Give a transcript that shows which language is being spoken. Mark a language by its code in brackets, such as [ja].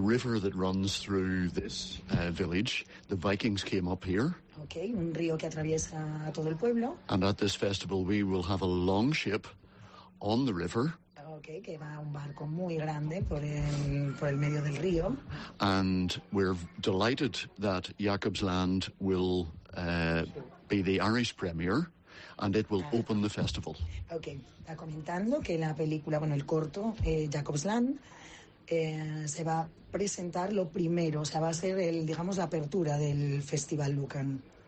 [en] river that runs through this village, the Vikings came up here. [es] Okay, un río que atraviesa todo el pueblo. [en] And at this festival we will have a long ship on the river. [es] Okay, que va un barco muy grande por el medio del río. [en] And we're delighted that Jacques Lang will be the Irish premier. And it will open the festival. [es] Okay, está comentando que la película, bueno, el corto, Jacques Lang, se va a presentar lo primero, o sea, va a ser el, digamos, la apertura del Festival Lucan.